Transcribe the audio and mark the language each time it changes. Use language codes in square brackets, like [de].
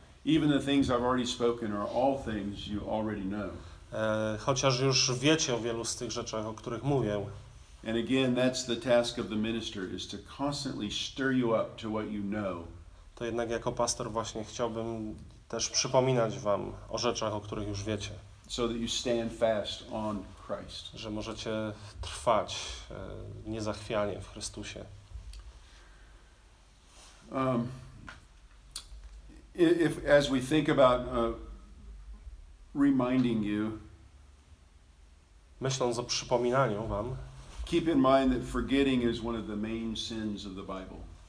[en] Even the things I've already spoken are all things you already know. [pl] Chociaż już wiecie o wielu z tych rzeczach, o których mówię. [en] And again, that's the task of the minister, is to constantly stir you up to what you know. [pl] To jednak jako pastor właśnie chciałbym też przypominać wam o rzeczach, o których już wiecie. [en] So that you stand fast on Christ. [pl] Że możecie trwać niezachwianie w Chrystusie. [en] If as we think about reminding you, [pl] myśląc o przypominaniu wam, [en] keep in mind that forgetting is one of the main sins of the Bible.